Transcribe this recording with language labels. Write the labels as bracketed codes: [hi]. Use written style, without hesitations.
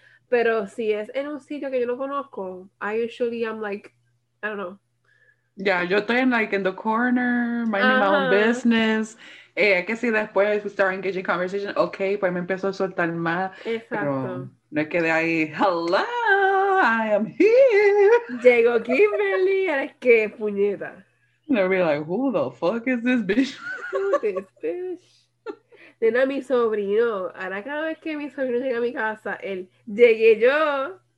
[es] Pero si es en un sitio que yo no conozco, [en] I usually am like, I don't know. Yeah, [es] yo estoy en [en] like in the corner, minding my own business. [es] Que si después [en] we start engaging conversation, [es] okay, pues me empiezo a soltar más. Exacto. Pero no es que de ahí, [en] hello, I am here. [es] Llegó Kimberly, eres que puñeta. [en] And I'll be like, who the fuck is this bitch? [es] Then a mi sobrino. Ahora cada vez que mi sobrino llega a mi casa, él, llegué yo.